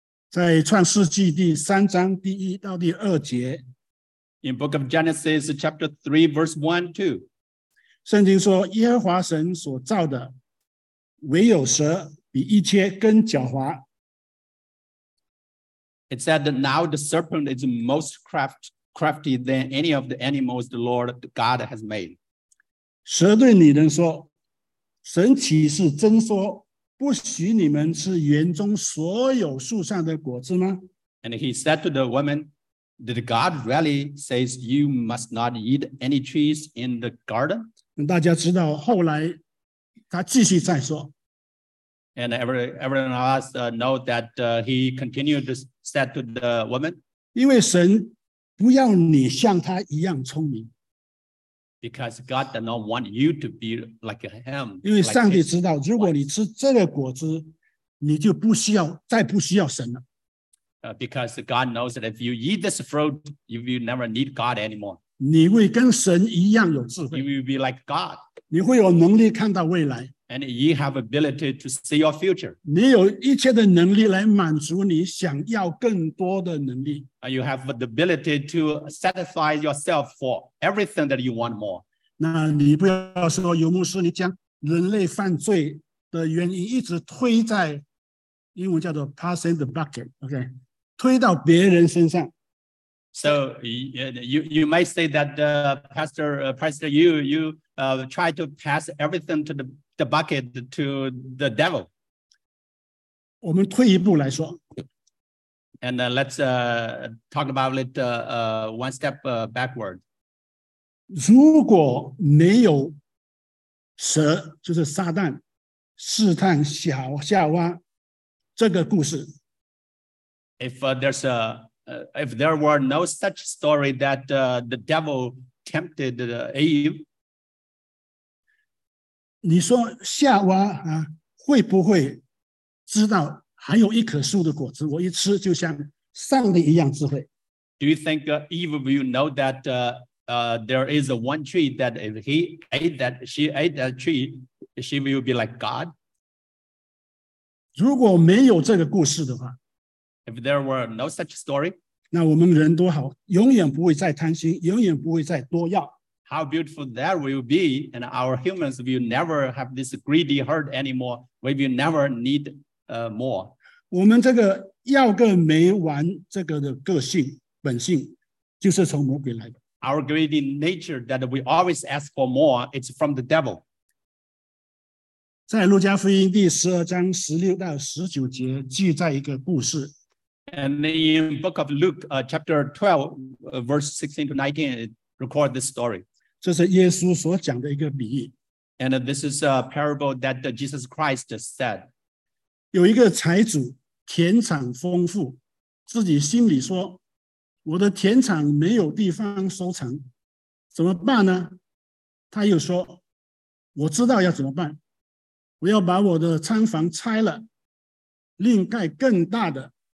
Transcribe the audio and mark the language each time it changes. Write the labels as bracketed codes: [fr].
[zh] 在创世纪第三章第一到第二节。 [en] In Book of Genesis, chapter 3, verse 1, 2. [zh] 圣经说耶和华神所造的唯有蛇比一切更狡猾。 [en] It said that now the serpent is most crafty than any of the animals the Lord God has made. [zh] 蛇对女人说，神岂是真说，不许你们吃园中所有树上的果子吗？ [en] And he said to the woman, did God really say you must not eat any trees in the garden? [zh] 大家知道后来他继续再说。 [en] And everyone else know that he continued to say to the woman, [zh] 因为神不要你像他一样聪明。 [en] Because God does not want you to be like him. [zh] 因为上帝知道，如果你吃这个果子，你就不需要，再不需要神了。 [en] Because God knows that if you eat this fruit, you will never need God anymore. [zh] 你会跟神一样有智慧。 [en] You will be like God. [zh] 你会有能力看到未来。 [en] And you have ability to see your future. [zh] 你有一切的能力来满足你想要更多的能力。 [en] You have the ability to satisfy yourself for everything that you want more. [zh] 那你不要说尤牧师，你将人类犯罪的原因一直推在，英文叫做 [en] passing the bucket, okay, [zh] 推到别人身上。 [en] So you may say that Pastor you try to pass everything to the bucket to the devil. [zh] 我们退一步来说。 [en] And let's talk about it one step backward. [zh] 如果没有蛇，就是撒旦试探小夏娃这个故事。 [en] If there were no such story that the devil tempted Eve, [zh] 你说夏娃啊，会不会知道还有一棵树的果子？我一吃就像上帝一样智慧。 [en] Do you think Eve will know that there is one tree that if he ate that, she ate that tree, she will be like God? [zh] 如果没有这个故事的话， [en] if there were no such story. [zh] 那我们人多好，永远不会再贪心，永远不会再多要。 [en] How beautiful that will be, and our humans will never have this greedy heart anymore. We will never need more. [zh] 我们这个要个没完这个的个性本性，就是从魔鬼来的。 [en] Our greedy nature that we always ask for more, it's from the devil. [zh] 在路加福音第十二章十六到十九节记载一个故事。 [en] And in Book of Luke, chapter 12, verse 16 to 19, it records this story. [zh] 这是耶稣所讲的一个比喻。 [en] And this is a parable that Jesus Christ said. [zh] 有一个财主，田产丰富，自己心里说，我的田产没有地方收藏，怎么办呢？他又说，我知道要怎么办，我要把我的仓房拆了，另盖更大的。